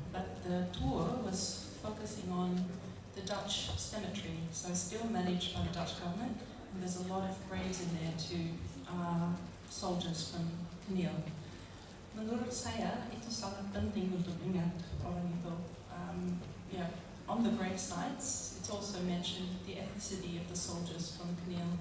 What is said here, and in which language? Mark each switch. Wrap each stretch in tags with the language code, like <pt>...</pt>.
<en>But the tour was focusing on the Dutch cemetery, so still managed by the Dutch government, and there's a lot of graves in there to soldiers from Kenil.</en> <id>Menurut saya, itu sangat penting untuk ingat orang itu.</id> <en>On the grave sites, it's also mentioned the ethnicity of the soldiers from Kenil.</en>